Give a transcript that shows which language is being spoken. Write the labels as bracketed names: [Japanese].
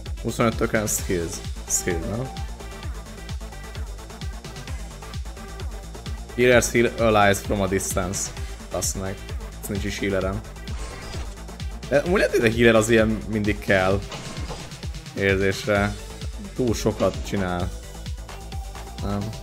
[Hungarian] Szóval egy tökény skill, no? [English] Healers heal allies from a distance. [Hungarian] Azt meg. Ez nincs is healerem. De amúgy lehet, hogy a healer az ilyen mindig kell. Érzésre. Túl sokat csinál. Nem.